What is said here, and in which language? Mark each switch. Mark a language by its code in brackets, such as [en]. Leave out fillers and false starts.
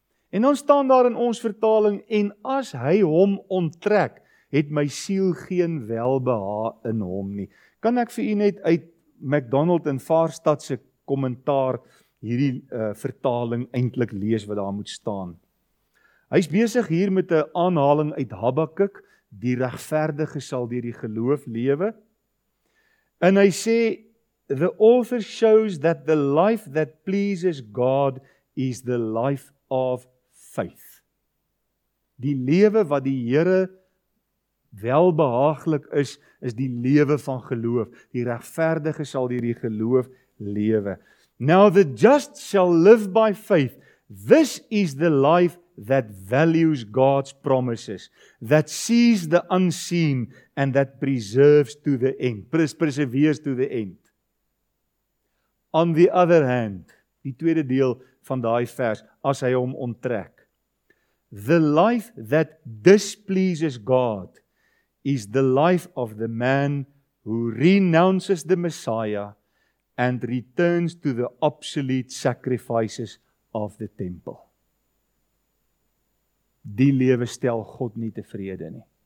[af] En dan staan daar in ons vertaling, en as hy hom onttrek, het my siel geen welbeha in hom nie. Kan ek vir u net uit McDonald en Vaarstad se kommentaar hierdie vertaling eintlik lees wat daar moet staan. Hy's besig hier met 'n aanhaling uit Habakuk, die regverdige sal deur die geloof lewe. [en] And I say, the author shows that the life that pleases God is the life of faith. [af] Die lewe wat die Here welbehaaglik is, is die lewe van geloof. Die regverdige sal deur die geloof lewe. [en] Now the just shall live by faith. This is the life that values God's promises, that sees the unseen and that preserves to the end. Perseveres to the end. On the other hand, [af] die tweede deel van daai vers, as hy hom onttrek. [en] The life that displeases God is the life of the man who renounces the Messiah and returns to the obsolete sacrifices of the temple. [af] Die lewe stel God nie tevrede nie.